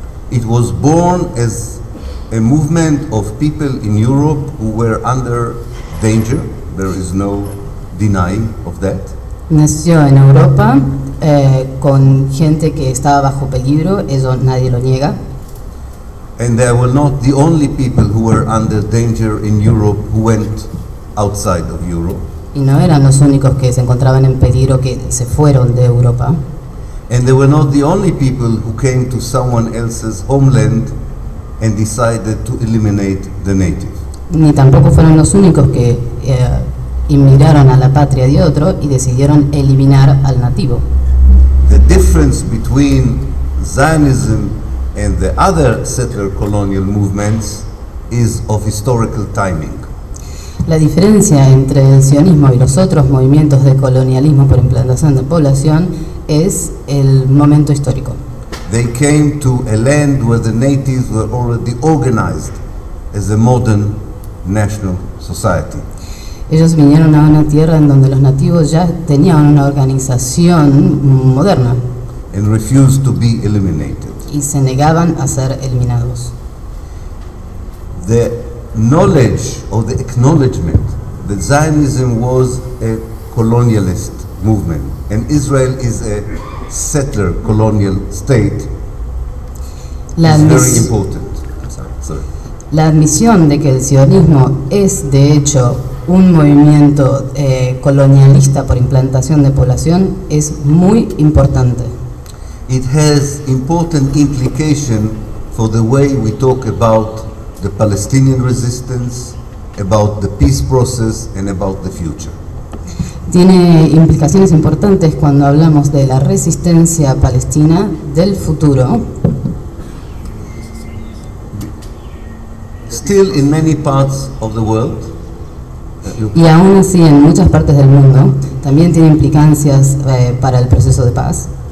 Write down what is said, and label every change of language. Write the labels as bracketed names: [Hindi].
[English] It was born as a movement of people in Europe who were under danger. There is no denial of that. [Spanish] Nació en Europa con gente que estaba bajo peligro, eso nadie lo niega. [English] And they were not the only people who were under danger in Europe who went outside of Europe. [Spanish] Y no eran los únicos que se encontraban en peligro que se fueron de Europa. [English] And they were not the only people who came to someone else's homeland and decided to eliminate the natives. [Spanish] Ni tampoco fueron los únicos que inmigraron a la patria de otro y decidieron eliminar al nativo. [English] The difference between Zionism and the other settler colonial movements is of historical timing. [Spanish] La diferencia entre el sionismo y los otros movimientos de colonialismo por implantación de población es el momento histórico. [English] They came to a land where the natives were already organized as a modern national society. [Spanish] Ellos vinieron a una tierra en donde los nativos ya tenían una organización moderna. [English] And refused to be eliminated. [Spanish] Y se negaban a ser eliminados. [English] The knowledge or the acknowledgement that Zionism was a colonialist movement and Israel is a settler colonial state is very important. [Spanish] La admisión de que el sionismo es de hecho un movimiento colonialista por implantación de población es muy importante. [English] It has important implication for the way we talk about the Palestinian resistance, about the peace process, and about the future. [Spanish] Tiene implicaciones importantes cuando hablamos de la resistencia palestina del futuro. [English] Still in many parts of the world. [Spanish] Y aún así en muchas partes del mundo también tiene implicancias para el proceso de paz.